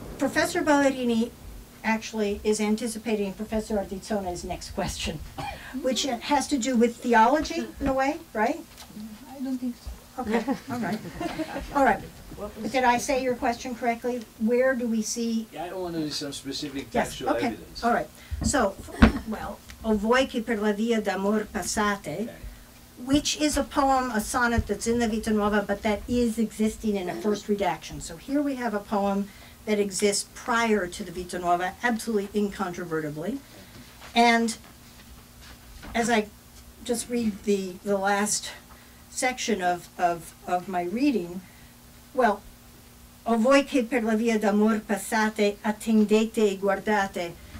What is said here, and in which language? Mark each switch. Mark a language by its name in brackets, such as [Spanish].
[English] Professor Barolini actually is anticipating Professor Ardizzone's next question, which has to do with theology in a way, right? I don't think so. Okay, all right. All right, did I say your question correctly? Where do we see? Yeah, I don't want to do some specific textual evidence. All right, so, [Italian] O voi che per la via d'amor passate, [English] okay. Which is a poem, a sonnet that's in the Vita Nuova, but that is existing in a first redaction. So here we have a poem that exists prior to the Vita Nuova, absolutely incontrovertibly. And as I just read the last section of my reading, well, [Italian] O voi che per la via d'amor passate, attendete e guardate.